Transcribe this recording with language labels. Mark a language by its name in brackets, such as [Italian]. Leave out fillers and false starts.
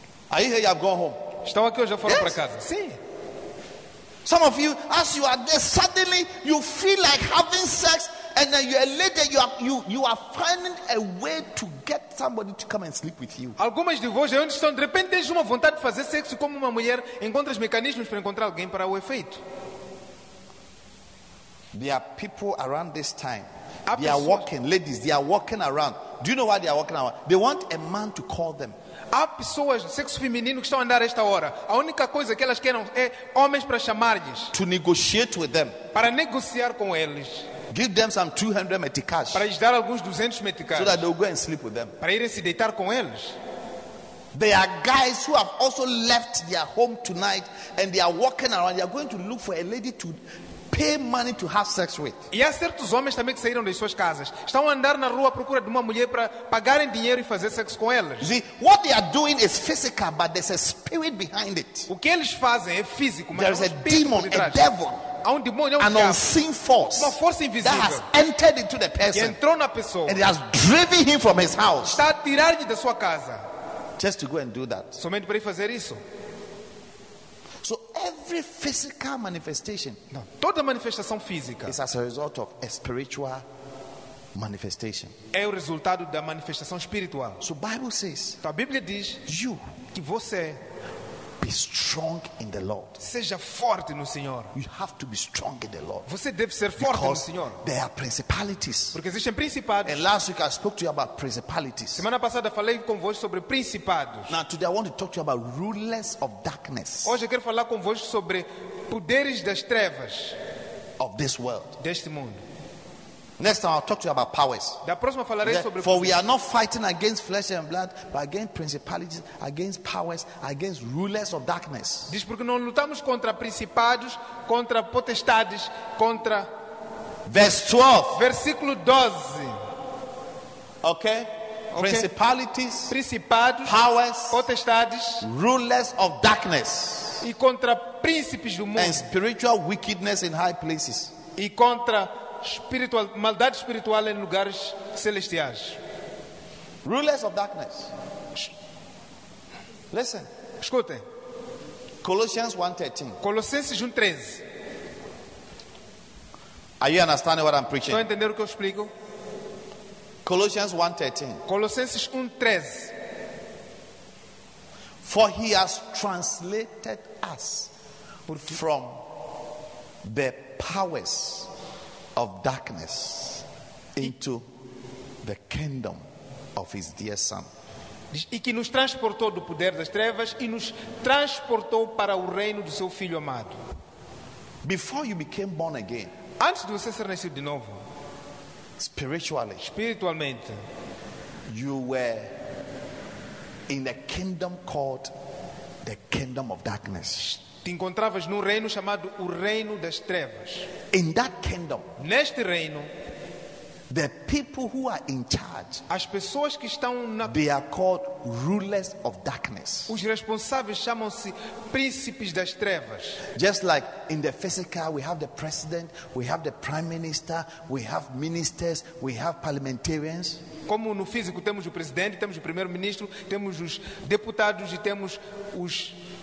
[English] Are you here? You have gone home. [Portuguese] Estão aqui ou já foram para casa? Sim. [English] Some of you, as you are there, suddenly you feel like having sex, And then you are later, you are finding a way to get somebody to come and sleep with you. [Portuguese] Algumas de vós, onde estão, de repente tens uma vontade de fazer sexo como uma mulher, encontras mecanismos para encontrar alguém para o efeito. [English] There are people around this time. They are walking, ladies, they are walking around. Do you know why they are walking around? They want a man to call them. [Portuguese] Há pessoas de sexo feminino que estão a andar esta hora. A única coisa que elas querem é homens para chamar-lhes. [English] To negotiate with them. [Portuguese] Para negociar com eles. [English] Give them some 200 meticais. [Portuguese] Para lhes dar alguns 200 meticais. [English] So that they'll go and sleep with them. [Portuguese] Para irem se deitar com eles. [English] There are guys who have also left their home tonight and they are walking around. They are going to look for a lady to pay money to have sex with. [Portuguese] E há certos homens também que saíram das suas casas. Estão a andar na rua à procura de uma mulher para pagarem dinheiro e fazer sexo com elas. [English] See, what they are doing is physical, but there's a spirit behind it. [Portuguese] O que eles fazem é físico, mas [English] there's a demon, a devil. [Portuguese] Há um demônio, [English] an unseen force, [Portuguese] uma força invisível, [English] that has entered into the person, [Portuguese] que entrou na pessoa, [English] and it has driven him from his house. [Portuguese] Está a tirar-lhe da sua casa. [English] Just to go and do that. [Portuguese] Somente para ir fazer isso. [English] So every physical manifestation, [Portuguese] não, toda manifestação física, [English] is as a result of a spiritual manifestation. [Portuguese] É o resultado da manifestação espiritual. [English] So Bible says, [Portuguese] a Bíblia diz, [English] you, [Portuguese] que você, [English] be strong in the Lord. [Portuguese] Seja forte no Senhor. [English] You have to be strong in the Lord. [Portuguese] Você deve ser forte [English] because [Portuguese] no Senhor. [English] There are principalities. [Portuguese] Porque existem principados. [English] And last week I spoke to you about principalities. [Portuguese] Semana passada falei convosco sobre principados. [English] Now today I want to talk to you about rulers of darkness. [Portuguese] Hoje eu quero falar convosco sobre poderes das trevas. [English] Of this world. [Portuguese] Deste mundo. [English] Next time I'll talk to you about powers. [Portuguese] Da próxima falarei sobre poderes. [English] For we are not fighting against flesh and blood, but against principalities, against powers, against rulers of darkness. [Portuguese] Diz porque não lutamos contra principados, contra potestades, contra. [English] Verse 12. [Portuguese] Versículo 12. [English] Okay? Okay. Principalities, [Portuguese] principados, [English] powers, [Portuguese] potestades, [English] rulers of darkness. [Portuguese] E contra príncipes do mundo. [English] And spiritual wickedness in high places. [Portuguese] E contra espiritual, maldade espiritual em lugares celestiais. [English] Rulers of darkness. Listen. [Portuguese] Escute. [English] Colossians 1:13. Are you understanding what I'm preaching? [Portuguese] Estão a entender o que eu explico? [English] Colossians 1:13. For he has translated us from the powers of darkness into the kingdom of his dear son. [Portuguese] E que nos transportou do poder das trevas e nos transportou para o reino do seu filho amado. [English] Before you became born again. [Portuguese] Antes de você ser nascido de novo. [English] Spiritually. [Portuguese] Espiritualmente. [English] You were in a kingdom called the kingdom of darkness. [Portuguese] Te encontravas num reino chamado o reino das trevas. [English] In that kingdom, [Portuguese] neste reino, [English] the people who are in charge, [Portuguese] as pessoas que estão na, [English] they are called rulers of darkness. [Portuguese] Os responsáveis chamam-se príncipes das trevas. [English] Just like in the physical, we have the president, we have the prime minister, we have ministers, we have parliamentarians. [Portuguese] Como no físico temos o presidente, temos o primeiro-ministro, temos os deputados e temos os